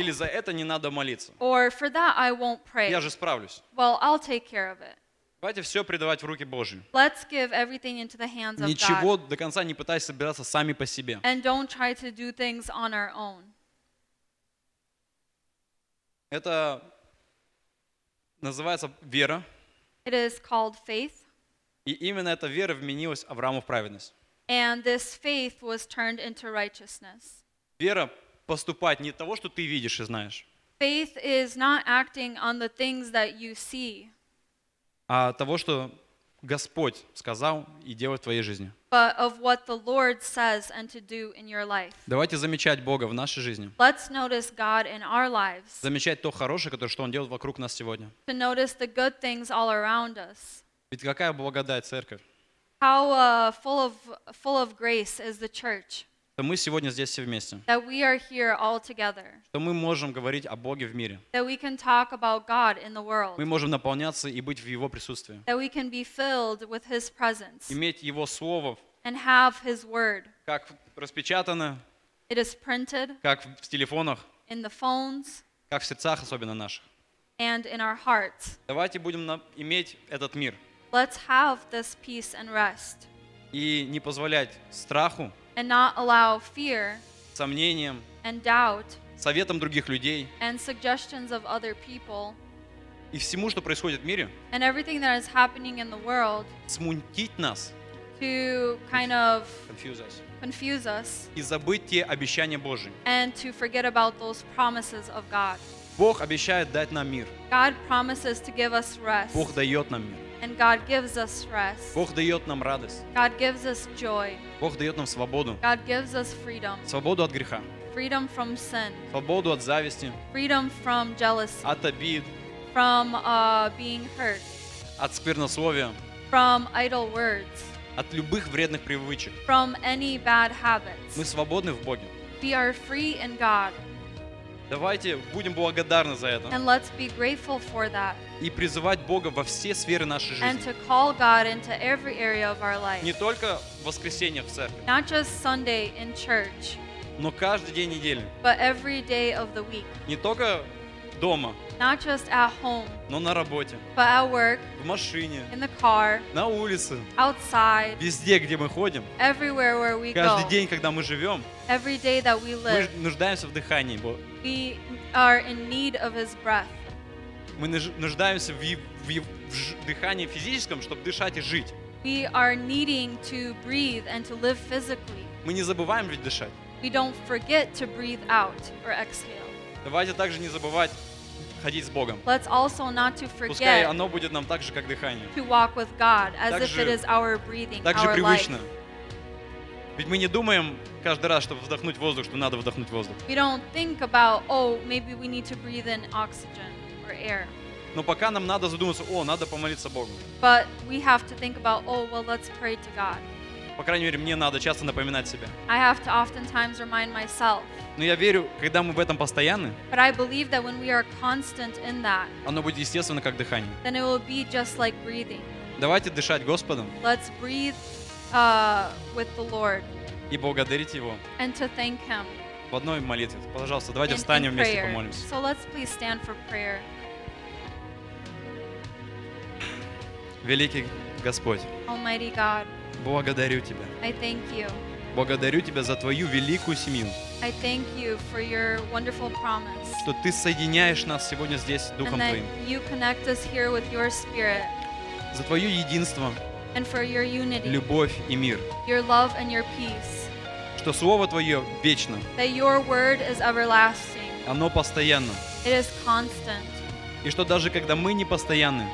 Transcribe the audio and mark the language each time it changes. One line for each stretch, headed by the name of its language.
Russian: Или за это не надо молиться.
English: Or for that I won't pray.
Russian: Я же справлюсь.
English: Well, I'll take care of it.
Russian: Давайте все предавать в руки Божьи.
English: Let's give everything into the hands of God.
Russian: Ничего до конца не пытайся собираться сами по себе.
English: And don't try to do things on our own.
Russian: Это называется вера.
English: It is called faith.
Russian: И именно эта вера вменилась Аврааму в праведность.
English: And this faith was turned into righteousness.
Russian: Вера поступать не того, что ты видишь и знаешь.
English: Faith is not acting on the things that you see.
Russian: А того, что Господь сказал и делает в твоей жизни.
English: But of what the Lord says and to do in your life.
Russian: Давайте замечать Бога в нашей жизни.
English: Let's notice God in our lives.
Russian: Замечать то хорошее, которое что Он делает вокруг нас сегодня.
English: To notice the good things all around us.
Russian: Ведь какая благодать церковь.
English: How full of grace is the church.
Russian: Что мы сегодня здесь все вместе.
English: That we are here all together.
Russian: Что мы можем говорить о Боге в мире.
English: That we can talk about God in the world.
Russian: Мы можем наполняться и быть в Его присутствии.
English: That we can be filled with His presence.
Russian: Иметь Его Слово.
English: And have His Word.
Russian: Как распечатано.
English: It is printed.
Russian: Как в телефонах.
English: In the phones.
Russian: Как в сердцах, особенно наших.
English: And in our hearts.
Russian: Давайте будем иметь этот мир.
English: Let's have this peace and rest.
Russian: И не позволять страху.
English: And not allow fear,
Russian: сомнением,
English: and doubt,
Russian: советом других людей,
English: and suggestions of other people,
Russian: и всему, что происходит в мире,
English: and everything that is happening in the world,
Russian: смутить нас,
English: to kind of confuse us,
Russian: и забыть те обещания Божьи,
English: and to forget about those promises of God.
Russian: Бог обещает дать нам мир.
English: God promises to give us rest.
Russian: Бог дает нам мир.
English: And God gives us rest.
Russian: Бог дает нам радость.
English: God gives us joy.
Russian: Бог дает нам свободу.
English: God gives us freedom.
Russian: Свободу от греха.
English: Freedom from sin.
Russian: Свободу от зависти.
English: Freedom from jealousy.
Russian: От обид.
English: From being hurt.
Russian: От сквернословия.
English: From idle words.
Russian: От любых вредных привычек.
English: From any bad habits.
Russian: Мы свободны в Боге.
English: We are free in God.
Russian: Давайте будем благодарны за это.
English: And let's be grateful for that.
Russian: И призывать Бога во все сферы нашей жизни.
English: And to call God into every area of our life.
Russian: Не только в воскресенье в церкви.
English: Not just Sunday in church.
Russian: Но каждый день недели.
English: But every day of the week.
Russian: Не только дома.
English: Not just at home.
Russian: Но на работе.
English: But at work.
Russian: В машине.
English: In the car.
Russian: На улице.
English: Outside.
Russian: Везде, где мы ходим.
English: Everywhere where we go.
Russian: Каждый день, когда мы живем.
English: Every day that we live.
Russian: Мы нуждаемся в дыхании Бога.
English: We are in need of His breath.
Russian: Мы нуждаемся в дыхании физическом, чтобы дышать и жить.
English: We are needing to breathe and to live physically.
Russian: Мы не забываем ведь дышать.
English: We don't forget to breathe out or exhale.
Russian: Давайте также не забывать ходить с Богом.
English: Let's also not to forget.
Russian: Пускай оно будет нам так же, как дыхание.
English: To walk with God as if it is our breathing, our life.
Russian: Также привычно. Ведь мы не думаем каждый раз, чтобы вдохнуть воздух, что надо вдохнуть воздух.
English: We don't think about, oh, maybe we need to breathe in oxygen or air.
Russian: Но пока нам надо задуматься, о, надо помолиться Богу.
English: But we have to think about, oh, well, let's pray to God.
Russian: По крайней мере, мне надо часто напоминать себя.
English: I have to oftentimes remind myself.
Russian: Но я верю, когда мы в этом постоянны,
English: but I believe that when we are constant in that,
Russian: оно будет естественно, как дыхание.
English: Then it will be just like breathing.
Russian: Давайте дышать Господом.
English: Let's breathe with the Lord.
Russian: И благодарить Его.
English: And to thank Him.
Russian: В одной молитве. Пожалуйста, давайте встанем вместе и помолимся.
English: So let's please stand for prayer.
Russian: Великий Господь.
English: Almighty God.
Russian: Благодарю Тебя.
English: I thank you.
Russian: Благодарю Тебя за Твою великую семью.
English: I thank you for your wonderful promise.
Russian: Что Ты соединяешь нас сегодня здесь Духом
English: and
Russian: Твоим.
English: You connect us here with your spirit.
Russian: За Твое единство.
English: And for your unity.
Russian: Любовь и мир.
English: Your love and your peace.
Russian: Что Слово Твое вечно.
English: That your word is everlasting.
Russian: Оно постоянно.
English: It is constant.
Russian: И что даже когда мы не постоянны,